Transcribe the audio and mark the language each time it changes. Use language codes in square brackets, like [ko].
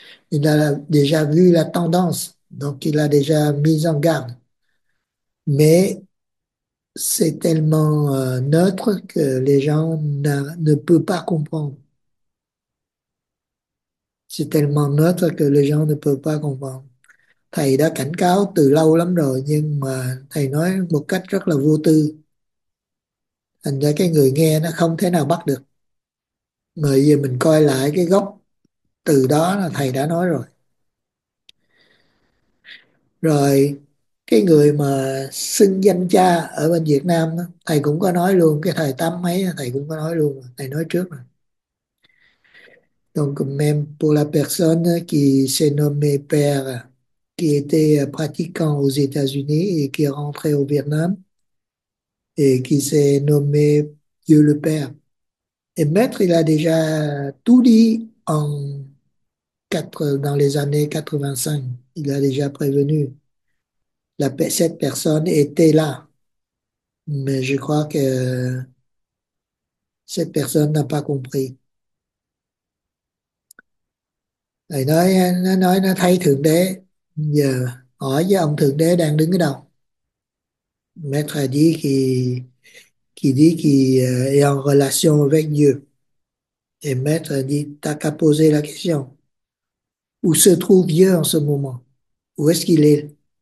[fr] Il a déjà vu la tendance, donc il a déjà mis en garde. Mais c'est tellement neutre que les gens ne peuvent pas comprendre. C'est tellement neutre que les gens ne peuvent pas comprendre. [vi] Thầy đã cảnh cáo từ lâu lắm rồi, nhưng mà thầy nói một cách rất là vô tư. Thành ra cái người nghe nó không thể nào bắt được. Bởi vì mình coi lại cái gốc từ đó là thầy đã nói rồi. Rồi cái người mà xưng danh cha ở bên Việt Nam đó, thầy cũng có nói luôn, cái thời Tam ấy thầy cũng có nói luôn, thầy nói trước rồi. [fr] Donc même pour la personne qui s'est nommé père, qui était pratiquant aux États-Unis et qui est rentré au Vietnam et qui s'est nommé Dieu le Père. Et maître, il a déjà tout dit dans les années 85. Il a déjà prévenu. Cette personne était là. Mais je crois que cette personne n'a pas compris. [vi] Nó thay Thượng Đế. Giờ hỏi với ông Thượng Đế đang đứng ở đâu? [fr] Maître a dit qu'il est en relation avec Dieu. Et Maître a dit, t'as qu'à poser la question. Où se trouve Dieu en ce moment? Où est-ce qu'il est?